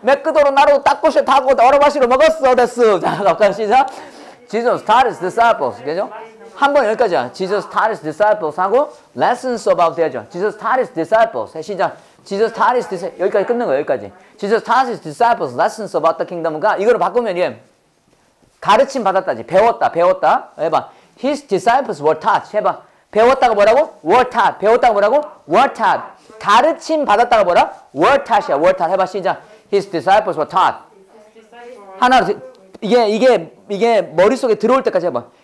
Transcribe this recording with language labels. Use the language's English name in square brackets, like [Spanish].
[Korean] 맥그도로 나로 닦고시 타고 얼어마시로 먹었어. 데스. 자, 다시 시작. [English] Jesus taught his disciples. [Korean] 그죠? 한번 여기까지야. [English] Jesus taught his disciples 하고 lessons about 해야죠. Jesus taught his disciples. 시작. Jesus taught his disciples. [Korean] 여기까지 끊는 거야. 여기까지. [English] Jesus taught his disciples lessons about the kingdom of God. [Korean] 이거를 바꾸면 얘 가르침 받았다지. 배웠다. 해봐. [English] His disciples were taught. [Korean] 해봐. 배웠다가 뭐라고? Were taught. 배웠다가 뭐라고? Were taught. 가르침 받았다가 뭐라? Were taught이야. Were taught. 해봐. 시작. [English] His disciples were taught. [Korean] 하나로 이게 머릿속에 들어올 때까지 해봐.